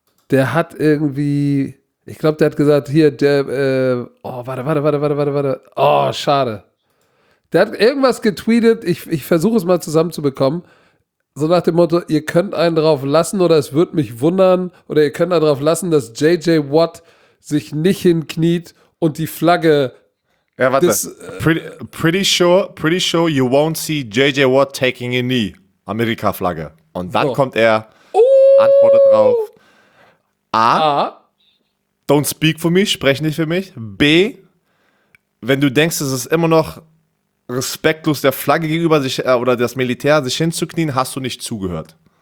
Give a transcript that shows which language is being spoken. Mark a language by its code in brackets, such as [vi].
[de] Der hat irgendwie... Ich glaube, der hat gesagt, hier, der, warte. Oh, schade. Der hat irgendwas getweetet, ich versuche es mal zusammenzubekommen. So nach dem Motto, ihr könnt einen drauf lassen oder es wird mich wundern oder ihr könnt einen drauf lassen, dass JJ Watt sich nicht hinkniet und die Flagge... Ja, warte. [en] Des, pretty sure you won't see JJ Watt taking a knee. [de] Amerika-Flagge. Und dann so. Kommt er, antwortet drauf. A. [en] Don't speak for me, [de] spreche nicht für mich. B, wenn du denkst, es ist immer noch respektlos der Flagge gegenüber sich oder das Militär sich hinzuknien, hast du nicht zugehört.